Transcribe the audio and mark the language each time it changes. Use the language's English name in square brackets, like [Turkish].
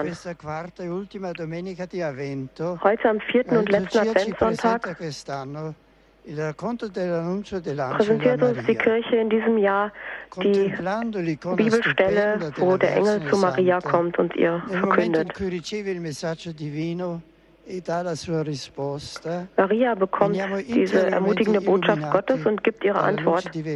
[Italian] questa quarta e ultima domenica di Avvento, [German] heute am vierten und letzten Adventssonntag [Italian] quest'anno il racconto dell'annuncio dell'Angelo [German] präsentiert uns die Kirche in diesem Jahr die Bibelstelle, wo der Engel zu Maria kommt und ihr verkündet. [Italian] In cui riceve il messaggio divino e dà la sua risposta, [German] Maria bekommt diese ermutigende Botschaft Gottes und gibt ihre Antwort.